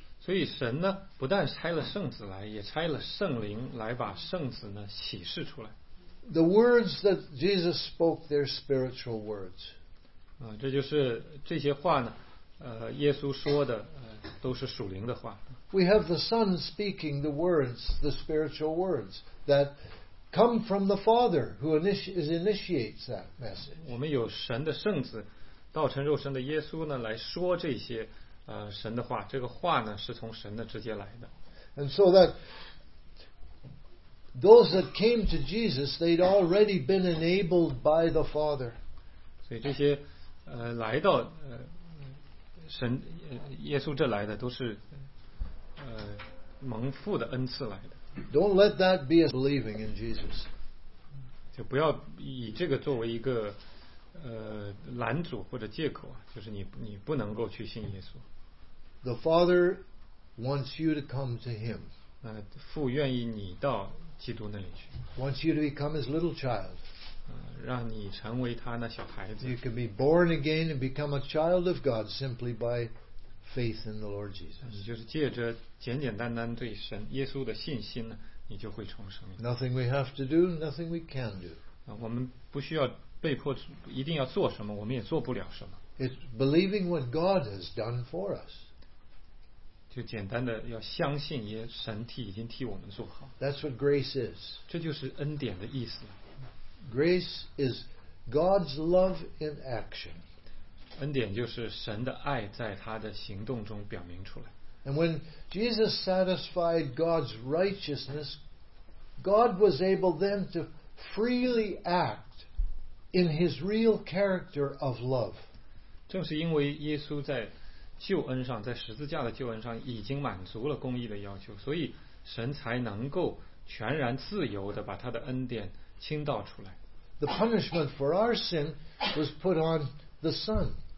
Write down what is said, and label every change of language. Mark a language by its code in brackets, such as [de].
[zh] 所以神呢，不但差了圣子来，也差了圣灵来把圣子呢启示出来。 [en] The words that Jesus spoke, they're spiritual words. [zh] 啊，这就是这些话呢，耶稣说的，都是属灵的话。 [en] We have the Son speaking the words, the spiritual words that come from the Father who initiates that message. [zh] 我们有神的圣子，道成肉身的耶稣呢，来说这些。神的话，这个话呢是从神的直接来的。 [en] And so that those that came to Jesus, they'd already been enabled by the Father. [zh] 所以这些来到神耶稣这来的都是蒙父的恩赐来的。 [en] Don't let that be a believing in Jesus. [zh] 就不要以这个作为一个拦阻或者借口，就是你不能够去信耶稣。 [en] The Father wants you to come to Him. [zh] 父愿意你到基督那里去。 [en] Wants you to become His little child. [zh] 让你成为他那小孩子。 [en] You can be born again and become a child of God simply by faith in the Lord Jesus. [zh] 你就是借着简简单单对神耶稣的信心呢，你就会重生。 [en] Nothing we have to do, nothing we can do. [zh] 我们不需要被迫一定要做什么，我们也做不了什么。 [en] It's believing what God has done for us. [zh] 就简单的要相信耶神替已经替我们做好。 [en] That's what grace is. [zh] 这就是恩典的意思。 [en] Grace is God's love in action. [zh] 恩典就是神的爱在他的行动中表明出来。 [en] And when Jesus satisfied God's righteousness, God was able then to freely act in His real character of love. [zh] 正是因为耶稣在救恩上，在十字架的救恩上已经满足了公义的要求，所以神才能够全然自由地把他的恩典倾倒出来。 [en] The punishment for our sin was put on the Son.